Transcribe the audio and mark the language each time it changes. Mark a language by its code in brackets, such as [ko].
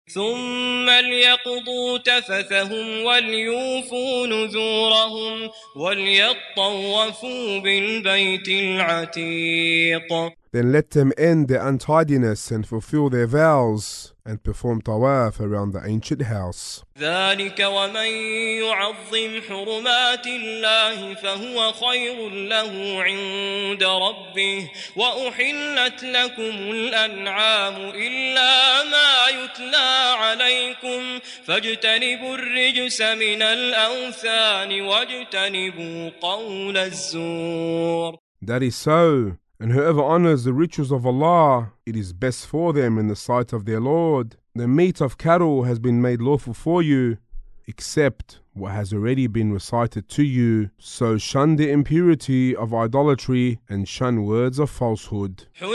[ar] ثُمَّ لْيَقْضُوا تَفَثَهُمْ وَلْيُوفُوا نُذُورَهُمْ وَلْيَطَّوَّفُوا بِالْبَيْتِ الْعَتِيقِ. [en] Then let them end their untidiness and fulfill their vows and perform tawaf around the ancient house. [ar] ذلك ومن يعظم حرمات الله فهو خير له عند ربه وأحلت لكم الأنعام إلا ما يتلى عليكم فاجتنبوا الرجس من الأوثان واجتنبوا قول الزور. [en] That is so. And whoever honors the rituals of Allah, it is best for them in the sight of their Lord. The meat of cattle has been made lawful for you, except what has already been recited to you. So shun the impurity of idolatry and shun words of falsehood.